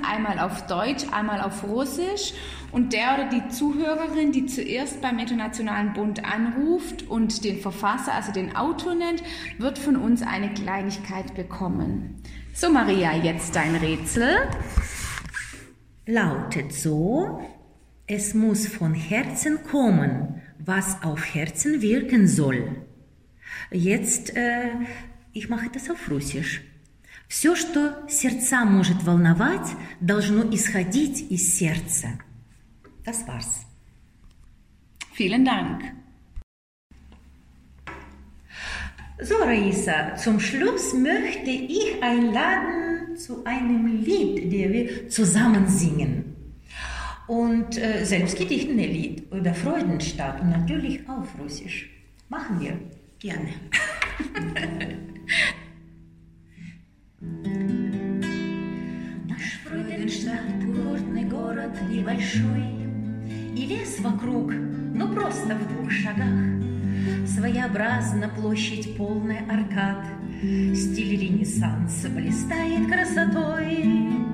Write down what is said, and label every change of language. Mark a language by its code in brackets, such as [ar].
[de] Einmal auf Deutsch, einmal auf Russisch. Und der oder die Zuhörerin, die zuerst beim Internationalen Bund anruft und den Verfasser, also den Autor nennt, wird von uns eine Kleinigkeit bekommen. So Maria, jetzt dein Rätsel. Lautet so: Es muss von Herzen kommen, was auf Herzen wirken soll. Jetzt, ich mache das auf Russisch. [ru] Все, что сердца может волновать, должно исходить из сердца. [de] Das war's. Vielen Dank. So, Raisa, zum Schluss möchte ich einladen zu einem Lied, das wir zusammen singen. Und selbst gedichtene Lied oder Freudenstadt, natürlich auf Russisch. Machen wir. Gerne. [ru] Наш Freudenstadt, курортный город небольшой, и лес вокруг, но просто в двух шагах. Своеобразна площадь полная аркад, стиль Ренессанса блистает красотой.